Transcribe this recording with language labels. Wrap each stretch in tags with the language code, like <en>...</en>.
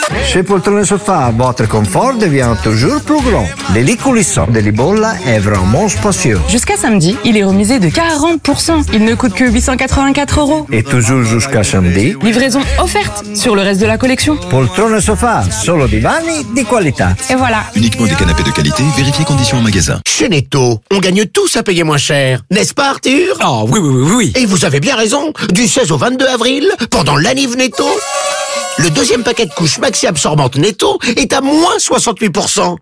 <fr>Se poltrone e soffà, votre confort devient toujours plus grand. Les lits coulissants de Libolla est vraiment spacieux. Jusqu'à samedi, il est remisé de 40%. Il ne coûte que 884€. Et toujours jusqu'à samedi, livraison offerte sur le reste de la collection.</fr> <it>Poltrone e soffà, solo divani di qualità.</it> <fr>Et voilà. Uniquement des canapés de qualité, vérifiez conditions en magasin. Chez Netto, on gagne tous à payer moins cher. N'est-ce pas, Arthur? Oh, oui. Et vous avez bien raison. Du 16 au 22 avril, pendant l'anniv Netto, le deuxième paquet de couches maxi absorbante Netto est à moins 68%.</fr>